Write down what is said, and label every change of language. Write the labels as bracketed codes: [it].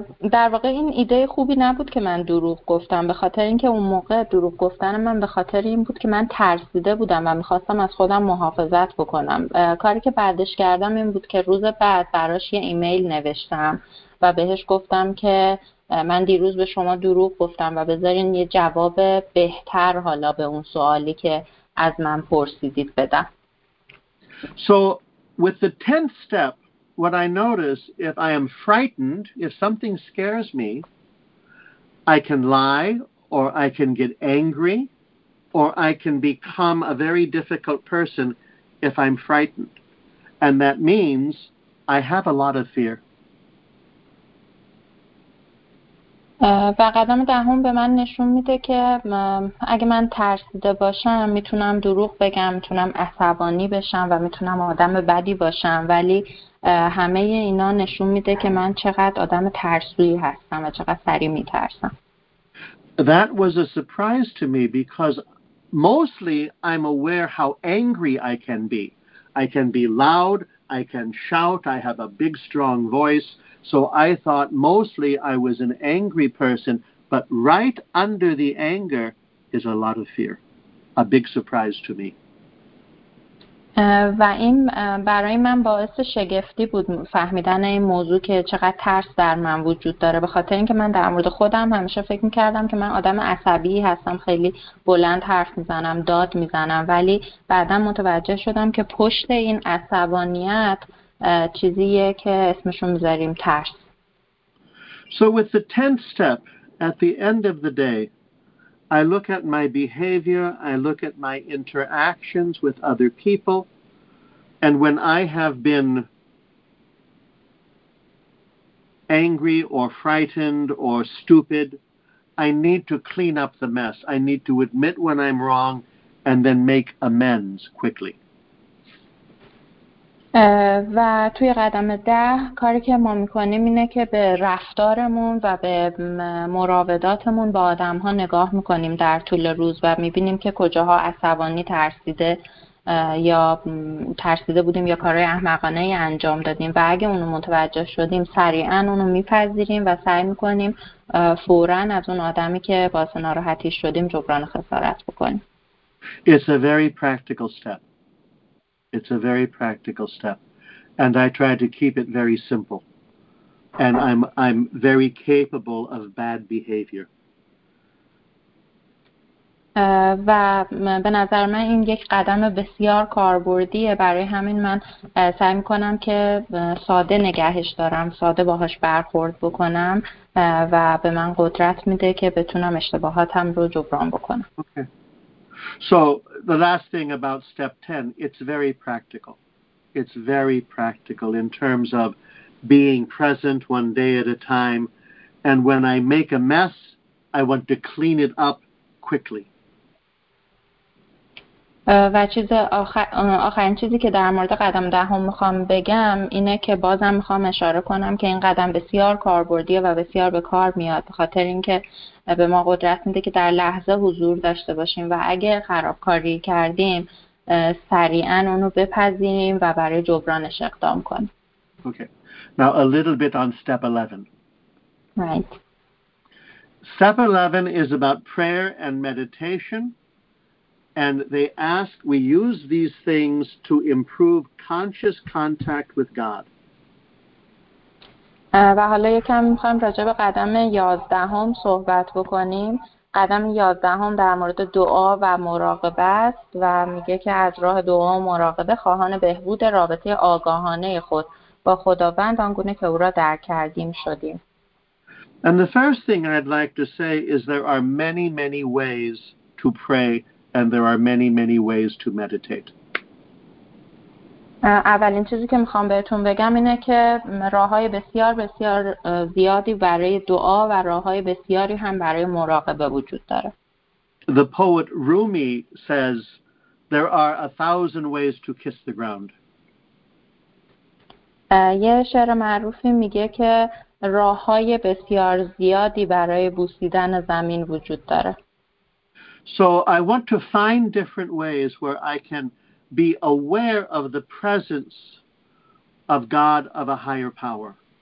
[fa] در واقع این ایده خوبی نبود که من دروغ گفتم، به خاطر اینکه اون موقع دروغ گفتن من به خاطر این بود که من ترسیده بودم و میخواستم از خودم محافظت بکنم. کاری که بعدش کردم این بود که روز بعد براش یه ایمیل نوشتم و بهش گفتم که من دیروز به شما دروغ گفتم و بذارین یه جواب بهتر حالا به اون سوالی که از من پرسیدید بدم. [en] So with the 10th step, what I notice, if I am frightened, if something scares me, I can lie, or I can get angry, or I can become a very difficult person if I'm frightened. And that means I have a lot of fear. [fa] و قدم دهم به من نشون میده که اگه من ترسیده باشم میتونم دروغ بگم، میتونم عصبانی بشم و میتونم آدم بدی باشم، ولی همه اینا نشون میده که من چقدر آدم ترسویی هستم و چقدر سریع میترسم. [en] That was a surprise to me because mostly I'm aware how angry I can be. I can be loud, I can shout, I have a big, strong voice. So I thought mostly I was an angry person, but right under the anger is a lot of fear. A big surprise to me. [fa] و این برای من باعث شگفتی بود فهمیدن این موضوع که چقدر ترس در من وجود داره به خاطر اینکه من در مورد خودم همیشه فکر میکردم که من آدم عصبی هستم خیلی بلند حرف میزنم داد میزنم ولی بعدا متوجه شدم که پشت این عصبانیت چیزیه که اسمشو میذاریم ترس [en] So with the 10th step at the end of the day I look at my behavior, I look at my interactions with other people, and when I have been angry or frightened or stupid, I need to clean up the mess. I need to admit when I'm wrong and then make amends quickly. [fa] و توی قدم 10 کاری که ما میکنیم اینه که به رفتارمون و به مراوداتمون با آدمها نگاه میکنیم در طول روز و میبینیم که کجاها عصبانی ترسیده یا ترسیده بودیم یا کارهای احمقانه ای انجام دادیم و اگه اونو متوجه شدیم سریعا اونو میپذیریم و سعی میکنیم فورا از اون آدمی که باعث ناراحتی شدیم جبران خسارت بکنیم. [en] It's a very practical step. It's a very practical step, and I try to keep it very simple. And I'm very capable of bad behavior. [fa] و به نظر من این یک قدم بسیار کاربردیه برای همین من سعی می‌کنم که ساده نگهش دارم، ساده باهاش برخورد بکنم و به من قدرت میده که بتونم اشتباهاتم رو جبران بکنم. [en] So the last thing about step 10, it's very practical. It's very practical in terms of being present one day at a time. And when I make a mess, I want to clean it up quickly. [fa] و چیز آخرین چیزی که در مورد قدم دهم میخوام بگم اینه که بازم میخوام اشاره کنم که این قدم بسیار کاربردیه و بسیار به کار میاد به خاطر اینکه به ما قدرت میده که در لحظه حضور داشته باشیم و اگه خرابکاری کردیم سریعا اونو بپذیریم و برای جبرانش اقدام کنیم. [en] Okay. Now a little bit on step 11. Right. Step 11 is about prayer and meditation. And they ask, we use these things to improve conscious contact with God. [fa] و حالا یکم میخوایم راجع به قدم 11 صحبت بکنیم. قدم 11 در مورد دعا و مراقبه است و میگه که از راه دعا و مراقبه خواهان بهبود رابطه آگاهانه خود با خداوند آنگونه که او را درک کردیم شدیم. [en] And the first thing I'd like to say is there are many, many ways to pray. And there are many, many ways to meditate. [fa] اولین چیزی که میخوام بهتون بگم اینه که راه‌های بسیار بسیار زیادی برای دعا و راه‌های بسیاری هم برای مراقبه وجود داره. [en] The poet Rumi says there are 1,000 ways to kiss the ground. [fa] یه شعر معروفی میگه که راه‌های بسیار زیادی برای بوسیدن زمین وجود داره. [en] So I want to find different ways where I can be aware of the presence of God of a higher power.